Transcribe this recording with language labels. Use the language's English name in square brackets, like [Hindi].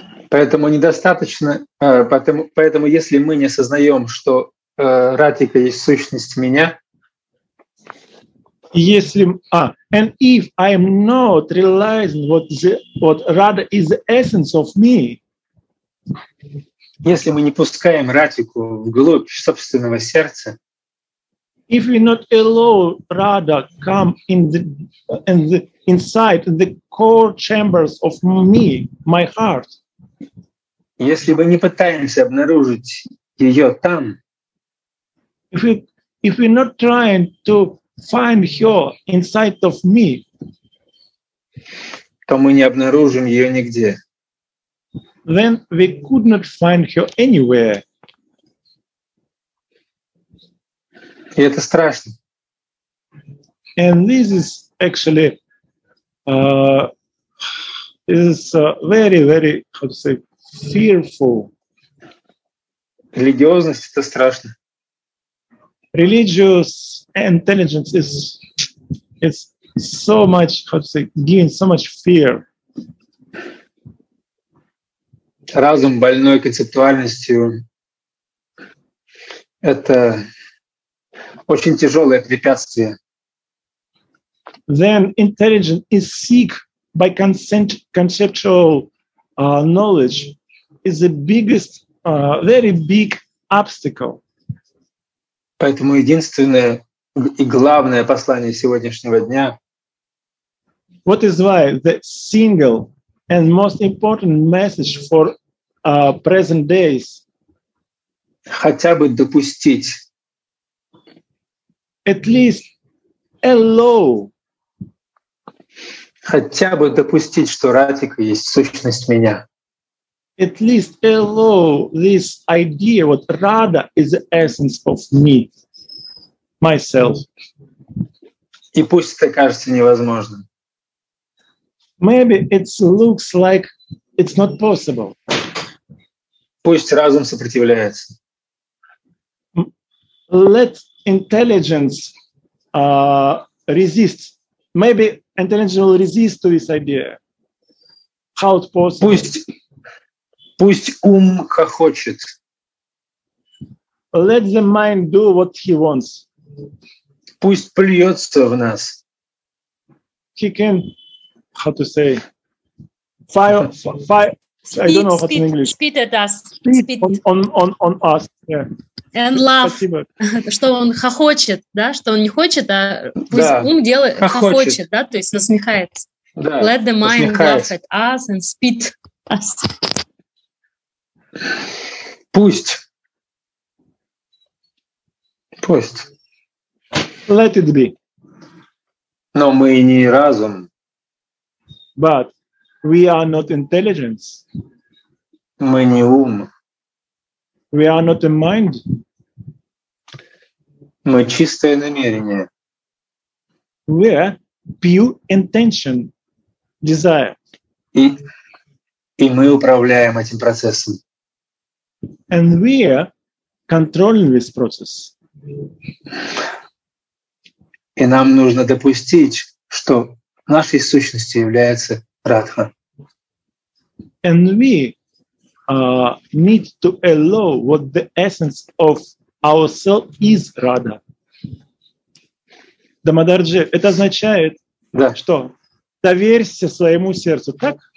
[Russian] Поэтому недостаточно, поэтому если мы не осознаем, что Радхика есть сущность меня, если [English] and if I am not realizing what Radha is the essence of me. [Russian] Если мы не пускаем Радхику вглубь собственного сердца, [English] if we not allow Radha come inside the core chambers of me, my heart, [Russian] если мы не пытаемся обнаружить ее там, [English] if we not trying to find her inside of me, [Russian] то мы не обнаружим ее нигде. [English] Then we could not find her anywhere. [Russian] И это страшно. [English] And this is actually very, very, how to say, fearful. [Russian] Религиозность — это страшно. [English] Religious intelligence is so much, how to say, giving so much fear. [Russian] Разум, больной концептуальностью, это очень тяжелое препятствие. [English] Then intelligence is sick by conceptual knowledge is the biggest, very big obstacle. [Russian] Поэтому единственное и главное послание сегодняшнего дня. [English] What is why the single and most important message for present days, [Russian] хотя бы допустить, [English] at least allow, [Russian] хотя бы допустить, что Радхика есть сущность меня, [English] at least allow this idea what Radha is the essence of me, myself. [Russian] И пусть это кажется невозможным. [English] Maybe it looks like it's not possible. [Russian] Пусть разум сопротивляется. [English] Let intelligence resist. Maybe intelligence will resist to this idea. How it possible? [Russian] Пусть ум хохочет. [English] Let the mind do what he wants. [Russian] Пусть плюется в нас. [English] He can, how to say, fire. Speed, I don't know what in English. Spit at us. On us. Yeah. And love. [Russian] Что он хохочет, да? Что он не хочет, а пусть ум делает, хохочет, да? То есть насмехается. Да. [English] Let the mind laugh at us and spit us. [Russian] Пусть. [English] Let it be. [Russian] Но мы не разум. [English] But we are not intelligence. [Russian] Мы не ум. [English] We are not a mind. [Russian] Мы чистое намерение. [English] We are pure intention, desire. [Russian] И мы управляем этим процессом. [English] And we are controlling this process. [Russian] И нам нужно допустить, что нашей сущностью является Радха. [English] And we need to allow what the essence of ourselves is Radha. [Russian] Дамодарджи, это означает, да, что доверься своему сердцу, так?